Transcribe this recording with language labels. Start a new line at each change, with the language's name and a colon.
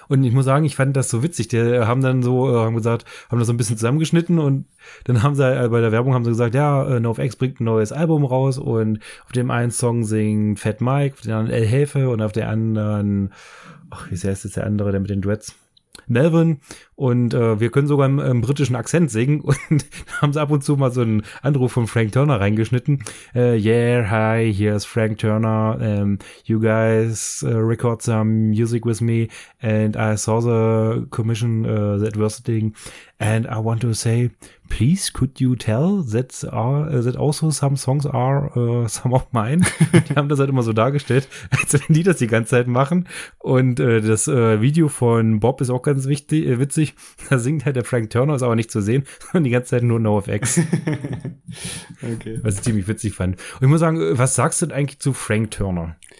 German: Und ich muss sagen, ich fand das so witzig. Die haben dann so, haben das so ein bisschen zusammengeschnitten und dann haben sie bei der Werbung haben sie gesagt, ja, NoFX bringt ein neues Album raus und auf dem einen Song singt Fat Mike, auf dem anderen El Hefe und auf der anderen, ach, wie heißt jetzt der andere, der mit den Dreads? Melvin und wir können sogar im britischen Akzent singen und da haben sie ab und zu mal so einen Anruf von Frank Turner reingeschnitten.
English: Yeah, hi, here's Frank Turner. You guys record some music with me and I saw the commission that was thing and I want to say, please could you tell that also some songs are some of mine.
German: Die haben das halt immer so dargestellt, als wenn die das die ganze Zeit machen und das Video von Bob ist auch ganz wichtig, witzig. Da singt halt der Frank Turner, ist aber nicht zu sehen, sondern die ganze Zeit nur NoFX. Okay. Was ich ziemlich witzig fand. Und ich muss sagen, was sagst du denn eigentlich zu Frank Turner?